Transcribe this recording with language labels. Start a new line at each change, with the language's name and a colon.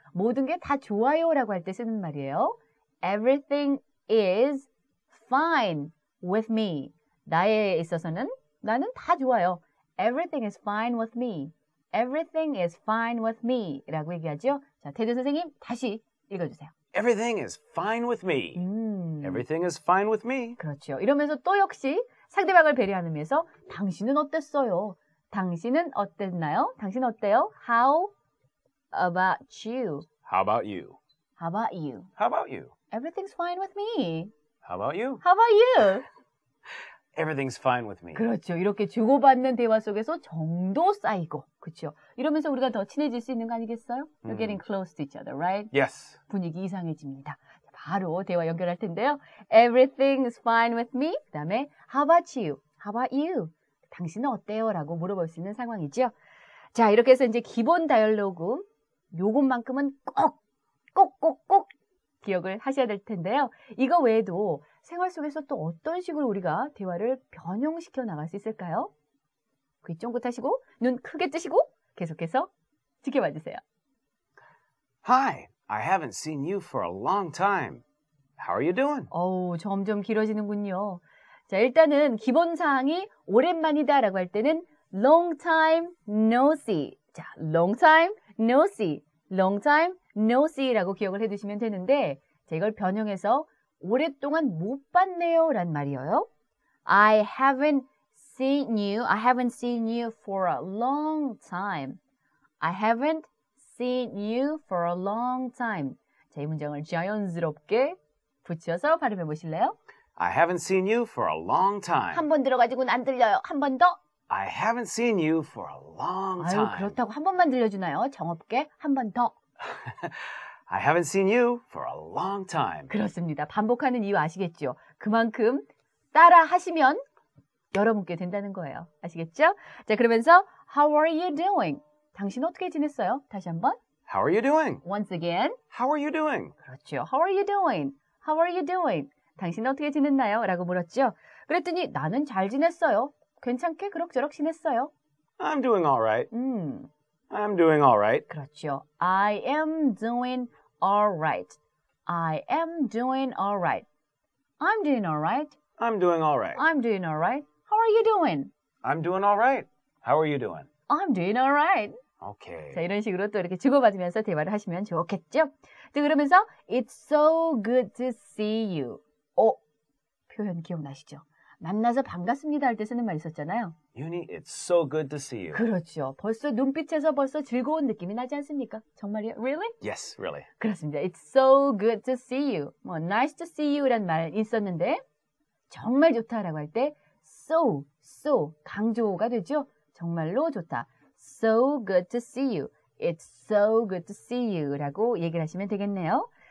Korean: 모든 게 다 좋아요 라고 할 때 쓰는 말이에요.
English: Everything is fine with me.
Korean: 나에 있어서는 나는 다 좋아요.
English: Everything is fine with me. Everything is fine with me.
Korean: 라고 얘기하죠. 자, 테드 선생님 다시 읽어주세요.
English: Everything is fine with me. Everything is fine with me.
Korean: 그렇죠. 이러면서 또 역시 상대방을 배려하는 의미에서 당신은 어땠어요? 당신은 어땠나요? 당신 어때요?
English: How about you? How about you? How about you? How about you? Everything's fine with me. How about you? How about you? Everything's fine with me.
Korean: 그렇죠. 이렇게 주고받는 대화 속에서 정도 쌓이고, 그렇죠. 이러면서 우리가 더 친해질 수 있는 거 아니겠어요?
English: We're getting close to each other, right? Yes.
Korean: 분위기 이상해집니다. 바로 대화 연결할 텐데요.
English: Everything's fine with me.
Korean: 그 다음에
English: How about you? How about you?
Korean: 당신은 어때요? 라고 물어볼 수 있는 상황이죠. 자, 이렇게 해서 이제 기본 다이얼로그 요것만큼은 꼭 기억을 하셔야 될 텐데요. 이거 외에도 생활 속에서 또 어떤 식으로 우리가 대화를 변형시켜 나갈 수 있을까요? 귀 쫑긋하시고 눈 크게 뜨시고 계속해서 지켜봐 주세요.
English: Hi, I haven't seen you for a long time. How are you doing?
Korean: 어우, 점점 길어지는군요. 자, 일단은 기본 사항이 오랜만이다 라고 할 때는
English: long time no see.
Korean: 자,
English: long time no see. Long time no see
Korean: 라고 기억을 해 두시면 되는데 자, 이걸 변형해서 오랫동안 못 봤네요 라는 말이에요.
English: I haven't seen you for a long time. I haven't seen you for a long time.
Korean: 자, 이 문장을 자연스럽게 붙여서 발음해 보실래요?
English: I haven't seen you for a long time.
Korean: 한번 들어가지고는 안 들려요. 한 번 더.
English: I haven't seen you for a long time.
Korean: 아유, 그렇다고 한 번만 들려주나요? 정없게 한 번 더.
English: I haven't seen you for a long time.
Korean: 그렇습니다. 반복하는 이유 아시겠죠? 그만큼 따라 하시면 여러분께 된다는 거예요. 아시겠죠? 자, 그러면서
English: How are you doing?
Korean: 당신 어떻게 지냈어요? 다시 한번.
English: How are you doing? Once again. How are you doing?
Korean: 그렇죠.
English: How are you doing? How are you doing?
Korean: 당신은 어떻게 지냈나요? 라고 물었죠. 그랬더니 나는 잘 지냈어요. 괜찮게 그럭저럭 지냈어요.
English: I'm doing all right. I'm doing all right.
Korean: 그렇죠.
English: I am doing all right. I am doing all right. I'm doing all right. I'm doing all right. I'm doing all right. How are you doing? I'm doing all right. How are you doing? I'm doing all right. Okay.
Korean: 자, 이런 식으로 또 이렇게 주고받으면서 대화를 하시면 좋겠죠. 또 그러면서
English: It's so good to see you.
Korean: 어? 표현 기억나시죠? 만나서 반갑습니다 할 때 쓰는 말 있었잖아요.
English: Yuni, it's so good to see you.
Korean: 그렇죠. 벌써 눈빛에서 벌써 즐거운 느낌이 나지 않습니까? 정말이요?
English: Really? Yes, really.
Korean: 그렇습니다.
English: It's so good to see you.
Korean: 뭐,
English: nice to see you
Korean: 란 말 있었는데 정말 좋다라고 할 때 so, 강조가 되죠. 정말로 좋다.
English: So good to see you. It's so good to see you
Korean: 라고 얘기를 하시면 되겠네요.